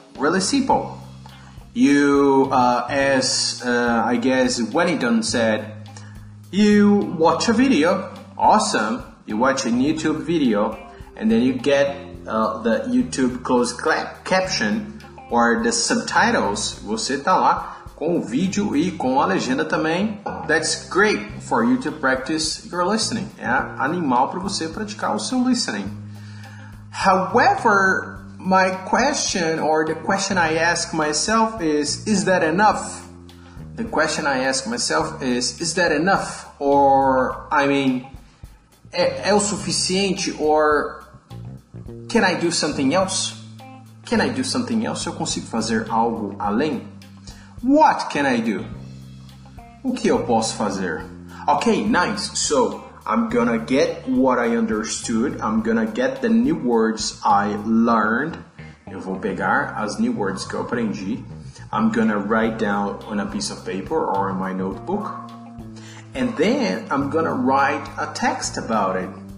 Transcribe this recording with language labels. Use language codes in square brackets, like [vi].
[en] Really simple. As Wellington said, you watch a video, awesome, you watch a YouTube video, and then you get the YouTube closed caption, or the subtitles, [pt] você tá lá com o vídeo e com a legenda também. [en] That's great for you to practice your listening. [pt] É animal para você praticar o seu listening. [en] However, my question, or the question I ask myself is that enough? The question I ask myself is that enough? Or, I mean, [pt] é o suficiente? [en] Or, can I do something else? Can I do something else? [pt] Eu consigo fazer algo além? [en] What can I do? [pt] O que eu posso fazer? [en] Okay, nice. So, I'm gonna get what I understood. I'm gonna get the new words I learned. Eu vou pegar as new words que eu aprendi. I'm gonna write down on a piece of paper or in my notebook. And then, I'm gonna write a text about it.